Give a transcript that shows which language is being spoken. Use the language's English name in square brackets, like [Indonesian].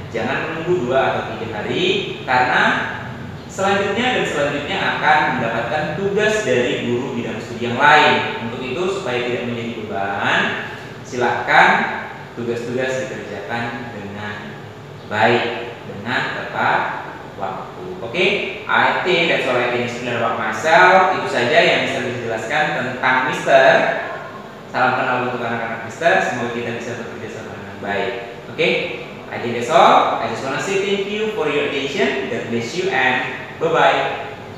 [Indonesian] Jangan menunggu 2 atau 3 hari, karena selanjutnya dan selanjutnya akan mendapatkan tugas dari guru bidang studi yang lain. Untuk itu, supaya tidak menjadi beban, silakan tugas-tugas dikerjakan dengan baik, dengan tepat waktu. [English] Oke, okay? I think that's all I can explain about myself. [Indonesian] Itu saja yang bisa dijelaskan tentang Mister. Salam kenal untuk anak-anak Mister. Semoga kita bisa bekerja sama dengan baik. [English] Oke, okay? I think that's all. I just wanna say thank you for your attention. God bless you and bye-bye.